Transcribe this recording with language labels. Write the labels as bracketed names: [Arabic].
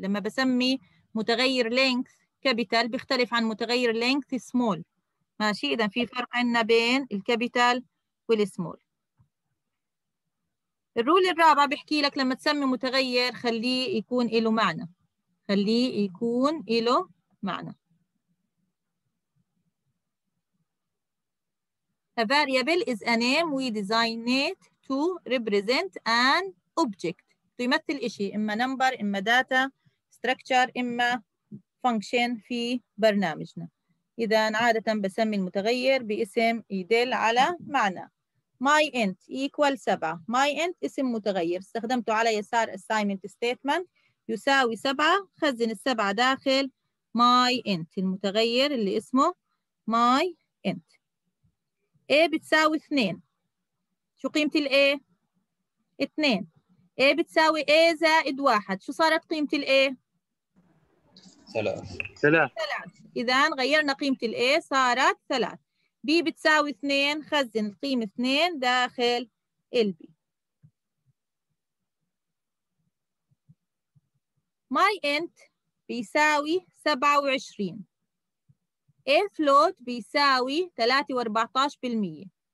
[Arabic] لما بسمي متغير لينكث كابيتال بيختلف عن متغير لينكث سمول، ماشي؟ إذا في فرق عندنا بين الكابيتال والسمول. الرول الرابع بحكي لك لما تسمي متغير خليه يكون له معنى، خليه يكون له معنى. [English] A variable is a name we design it to represent an object. [Arabic] تمثل إشي، إما number، إما data structure، إما function في برنامجنا. إذا عادة بسمي المتغير باسم يدل على معنى. [English] My int equal 7. [Arabic] My int اسم متغير استخدمته على يسار assignment statement، يساوي 7، خزن 7 داخل my int المتغير اللي اسمه my int. A بتساوي 2. شو قيمة الـ A؟ 2. A بتساوي A زائد 1. شو صارت قيمة الـ A؟ 3. إذا غيرنا قيمة الـ A صارت 3. B بتساوي 2، خزن القيمة 2 داخل الـ B. [English] My int [Arabic] بيساوي [English] 27. A float [Arabic] بيساوي [English] 3.14%.